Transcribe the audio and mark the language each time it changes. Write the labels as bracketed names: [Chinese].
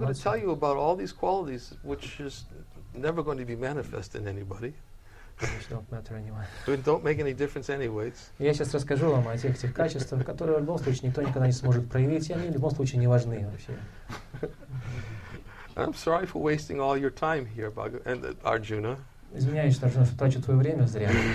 [English] I'm going to tell you about all these qualities, which is never going to be manifest in anybody. Which don't make any difference anyways. [Russian] Я сейчас расскажу вам о тех качествах, которые в любом случае никто никогда не сможет проявить, и они в любом случае не важны вообще. [English] I'm sorry for wasting all your time here, Arjuna. [Russian] Извиняюсь, что я трачу твое время зря.